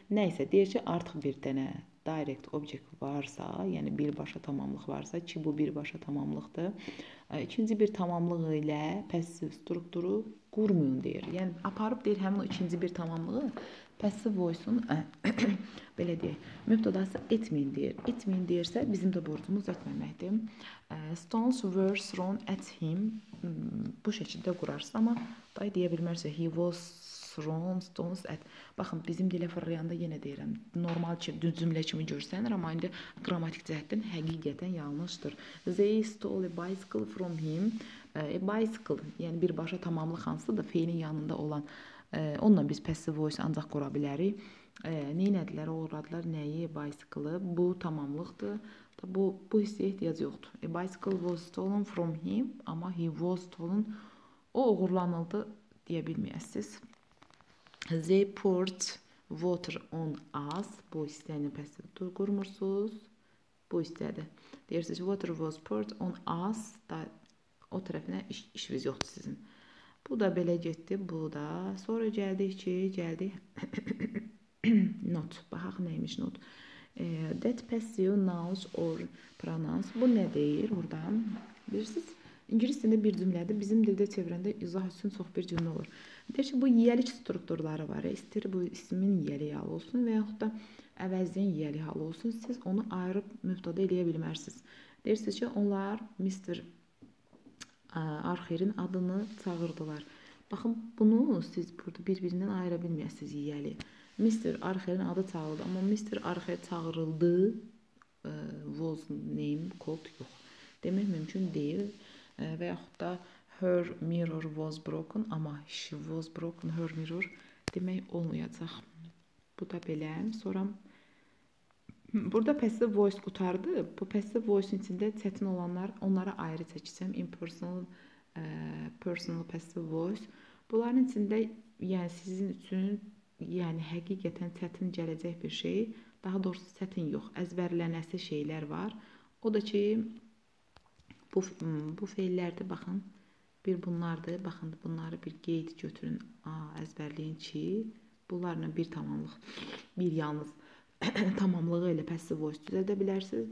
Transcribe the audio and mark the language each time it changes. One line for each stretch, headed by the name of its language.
Azerbaijani: Nə isə, deyir ki, artıq bir dənə direct object varsa, yəni birbaşa tamamlıq varsa, ki bu birbaşa tamamlıqdır. İkinci bir tamamlıq ilə passive strukturu qurmayın deyir. Yəni aparıb deyir həmin o ikinci bir tamamlığı passive voice-un belə deyək, mübtədası etməyin deyir. Etməyin deyirsə bizim də borcumuz etməməkdir.
English: Stones were thrown at him.
Azerbaijani: Bu şəkildə qurarsın amma day deyə bilmərsə
English: he was thrown stones at.
Azerbaijani: Baxın, bizim dilə fırlayanda yenə deyirəm, normal ki, düz cümlə kimi görsənir, amma indi qramatik cəhətdən həqiqətən yanlışdır.
English: They stole a bicycle from him.
Azerbaijani: A bicycle, yəni birbaşa tamamlıq hansıdır, feylin yanında olan. Onunla biz passive voice ancaq qura bilərik. Neynədilər, uğradılar, nəyi, bicycle-ı, bu tamamlıqdır. Bu hissəyə ehtiyac yoxdur.
English: A bicycle was stolen from him,
Azerbaijani: amma
English: he was stolen,
Azerbaijani: o uğurlanıldı deyə bilməyəsiniz.
English: They poured water on us.
Azerbaijani: Bu hissəni passive qurmursunuz. Bu hissədir. Deyirsiniz,
English: water was poured on us.
Azerbaijani: Da, o tərəfinə işiniz yoxdur sizin. Bu da belə getdi. Bu da. Sonra gəldik ki, gəldik. Not. Baxaq, neymiş not.
English: That passive nouns or pronouns.
Azerbaijani: Bu nə deyir? Buradan. Bilirsiniz, ingilis dilində bir cümlədir. Bizim dildə çevirəndə izah üçün çox bir cümlə olur. Deyir ki, bu yiyəlik strukturları var. İstəyir bu ismin yiyəlik halı olsun və yaxud da əvəzliyin yiyəlik halı olsun. Siz onu ayırıb mübtəda eləyə bilmərsiniz. Deyirsiniz ki, onlar Mr. Arxerin adını çağırdılar. Baxın, bunu siz burada bir-birindən ayıra bilməyəsiniz yiyəlik. Mr. Arxerin adı çağırdı, amma Mr. Arxer çağırıldı.
English: Was name called
Azerbaijani: yox. Demək mümkün deyil. Və yaxud da
English: her mirror was broken,
Azerbaijani: amma
English: she was broken, her mirror
Azerbaijani: demək olmayacaq. Bu da belə. Sonra burada passive voice qutardı. Bu passive voice içində çətin olanlar, onlara ayrı çəkisəm.
English: Impersonal, personal passive voice.
Azerbaijani: Bunların içində yəni sizin üçün yəni həqiqətən çətin gələcək bir şey. Daha doğrusu çətin yox. Əzbərlənəsi şeylər var. O da ki, bu feillərdir, baxın. Bir bunlardır. Baxın, bunları bir qeyd götürün. Əzbərləyin ki, bunlarla bir tamamlıq, bir yalnız tamamlığı ilə passive voice düzədə bilərsiniz.